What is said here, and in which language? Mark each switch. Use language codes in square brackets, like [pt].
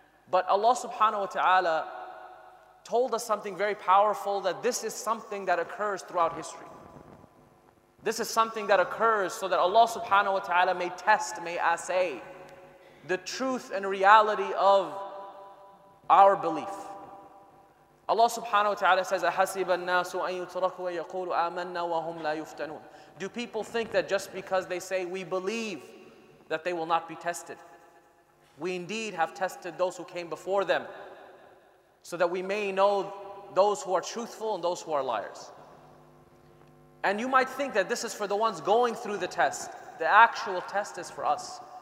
[en] But Allah subhanahu wa ta'ala told us something very powerful, that this is something that occurs throughout history. This is something that occurs so that Allah subhanahu wa ta'ala may test, may assay the truth and reality of our belief. Allah subhanahu wa ta'ala says, [ar] أَحَسِبَ النَّاسُ أَن يُتْرَكُوا وَيَقُولُوا آمَنَّا وَهُمْ لَا يُفْتَنُونَ. [en] Do people think that just because they say we believe that they will not be tested? We indeed have tested those who came before them so that we may know those who are truthful and those who are liars. And you might think that this is for the ones going through the test. The actual test is for us.